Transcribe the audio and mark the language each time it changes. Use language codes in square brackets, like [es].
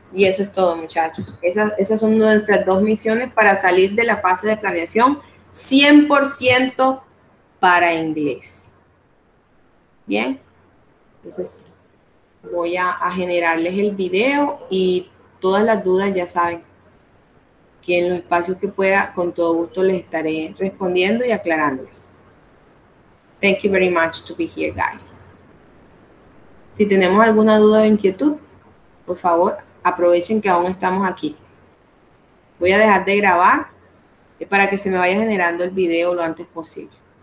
[es] Y eso es todo, muchachos. Esas son nuestras dos misiones para salir de la fase de planeación 100% para inglés. ¿Bien? Entonces, voy a generarles el video y todas las dudas ya saben que en los espacios que pueda, con todo gusto les estaré respondiendo y aclarándoles. [en] Thank you very much to be here, guys. [es] Si tenemos alguna duda o inquietud, por favor, aprovechen que aún estamos aquí. Voy a dejar de grabar para que se me vaya generando el video lo antes posible.